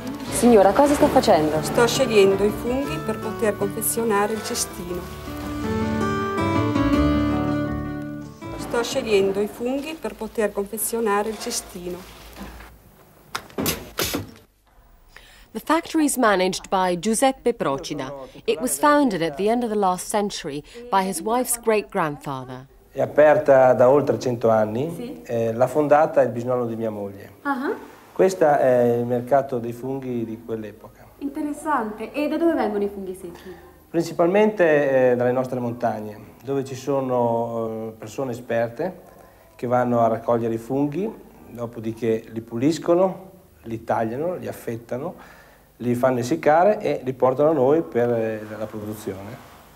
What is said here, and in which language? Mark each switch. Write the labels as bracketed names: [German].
[Italian] Signora, cosa sta facendo? Sto scegliendo i funghi per poter confezionare il cestino. Sto scegliendo i funghi per poter confezionare il cestino. [English] The factory is managed by Giuseppe Procida. It was founded at the end of the last century by his wife's great-grandfather. [Italian] È aperta da oltre 100 anni. Sì. L'ha fondata il bisnonno di mia moglie. Questo è il mercato dei funghi di quell'epoca. Interessante. E da dove vengono i funghi secchi? Principalmente dalle nostre montagne, dove ci sono persone esperte che vanno a raccogliere i funghi, dopodiché li puliscono, li tagliano, li affettano, li fanno essiccare e li portano a noi per la produzione.